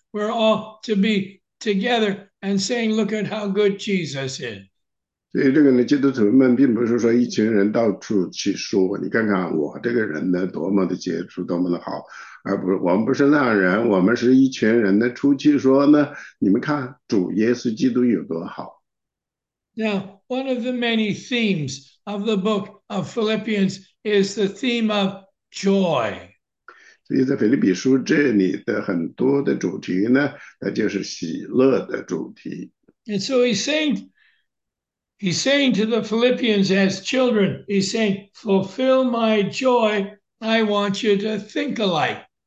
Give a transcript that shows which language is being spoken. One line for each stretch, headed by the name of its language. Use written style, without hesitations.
English: We're all to be together and saying, look at how good Jesus is.
Chinese: 所以这个呢，基督徒们并不是说一群人到处去说，你看看我这个人呢多么的杰出，多么的好，而不是我们不是那样人，我们是一群人呢出去说呢，你们看主耶稣基督有多好。
English: Now, one of the many themes of the book of Philippians is the theme of joy.
Chinese: 所以在腓立比书这里的很多的主题呢，那就是喜乐的主题。
English: And so he's saying to the Philippians as children, he's saying, fulfill my joy, I want you to think alike.